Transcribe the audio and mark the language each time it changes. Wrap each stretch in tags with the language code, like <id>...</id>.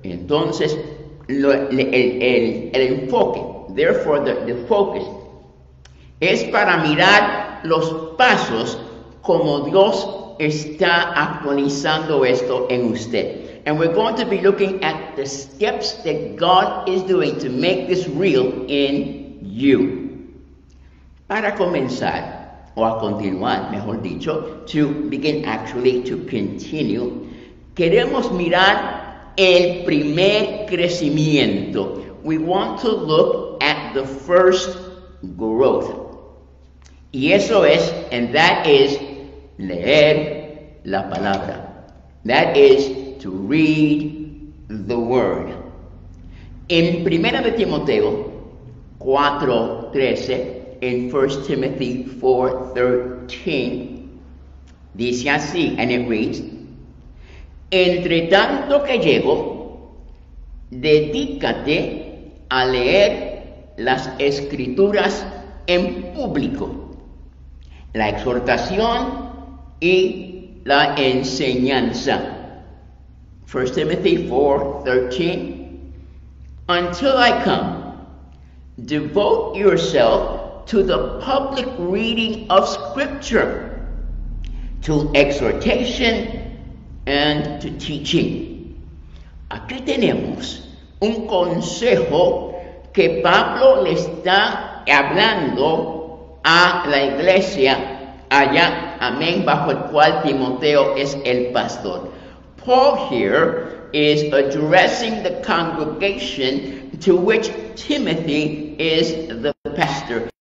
<es>Entonces, el enfoque,</es> <en>therefore the focus,</en> <es>es para mirar los pasos como Dios está actualizando esto en usted.</es> <en>And we're going to be looking at the steps that God is doing to make this real in you.</en> <es>Para comenzar, o a continuar, mejor dicho,</es> <en>to begin actually, to continue,</en> <es>queremos mirar el primer crecimiento.</es> <en>We want to look at the first growth.</en> <es>Y eso es,</es> <en>and that is,</en> <es>leer la palabra.</es> <en>That is, to read the word.</en> <es>En Primera de Timoteo 4:13,</es> <en>in 1 Timothy 4:13,</en> <es>dice así,</es> <en>and it reads,</en> <es>entre tanto que llego, dedícate a leer las Escrituras en público, la exhortación y la enseñanza.</es> <en>1 Timothy 4:13, until I come, devote yourself to the public reading of Scripture, to exhortation and to teaching.</en> <es>Aquí tenemos un consejo que Pablo le está hablando a la iglesia allá, amén, bajo el cual Timoteo es el pastor.</es> <en>Paul here is addressing the congregation to which Timothy is the pastor.</en>